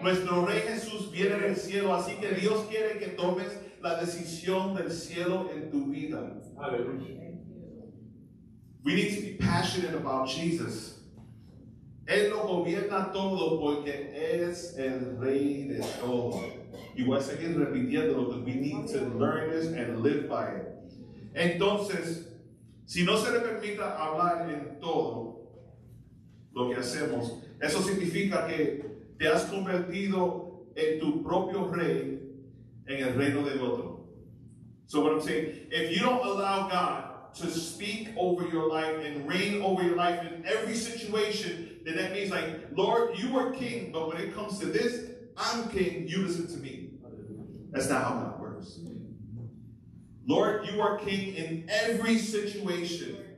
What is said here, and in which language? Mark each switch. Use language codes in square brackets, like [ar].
[es] Nuestro rey Jesús viene del cielo, así que Dios quiere que tomes la decisión del cielo en tu vida. [en] We need to be passionate about Jesus. [es] Él lo gobierna todo porque es el rey de todo. Y voy a seguir repitiéndolo, [en] but we need to learn this and live by it. [es] Entonces, si no se le permita hablar en todo lo que hacemos, eso significa que te has convertido en tu propio rey en el reino del otro. [en] So what I'm saying, if you don't allow God to speak over your life and reign over your life in every situation, then that means like, Lord, you are king, but when it comes to this, I'm king, you listen to me. That's not how that works. Lord, you are king in every situation.